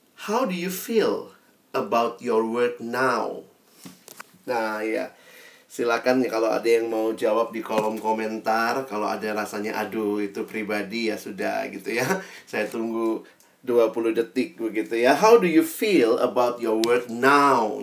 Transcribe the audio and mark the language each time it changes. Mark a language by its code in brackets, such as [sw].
[en] How do you feel about your work now? [id] Nah ya, silakan kalau ada yang mau jawab di kolom komentar. Kalau ada rasanya aduh itu pribadi, ya sudah gitu ya, saya tunggu 20 detik begitu ya. [en] How do you feel about your work now?